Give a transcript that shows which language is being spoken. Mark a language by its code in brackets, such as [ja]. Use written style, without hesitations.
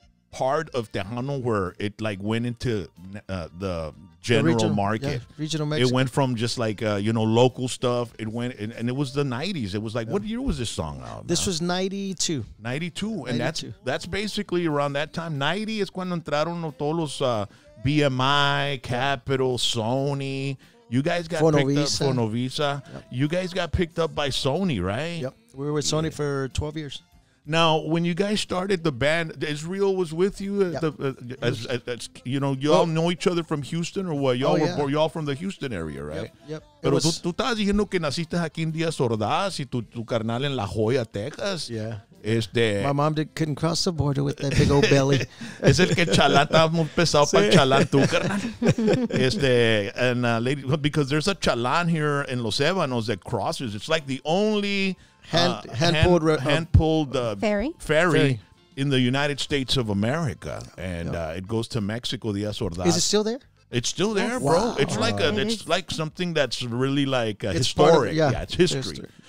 [en] part of Tejano where it like went into the general the regional, market. Yeah, regional Mexico. It went from just like, you know, local stuff. It went, and it was the 90s. It was like, yeah. What year was this song out? This was 92. 92. And 92. That's basically around that time. 90 is [es] cuando entraron todos los BMI, Capitol, Sony. [en] You guys got Fonovisa. Picked up Fonovisa. Yep. You guys got picked up by Sony, right? Yep. We were with Sony for 12 years. Now, when you guys started the band, Israel was with you. Yep. Y'all know each other from Houston or what? Y'all from the Houston area, right? Yep. [es] Pero tú estabas diciendo que naciste aquí en Díaz Ordaz y tu carnal en La Joya, Texas. [en] Yeah. My mom couldn't cross the border with that big old belly. [es] Es el que chalán está muy pesado para chalán tú, carnal. [en] Lady, because there's a chalán here in Los Ébanos that crosses. It's like the only hand-pulled ferry in the United States of America. And it goes to Mexico, Díaz Ordaz. Is it still there? It's still there, bro. Wow. It's like something that's really like historic. It's history.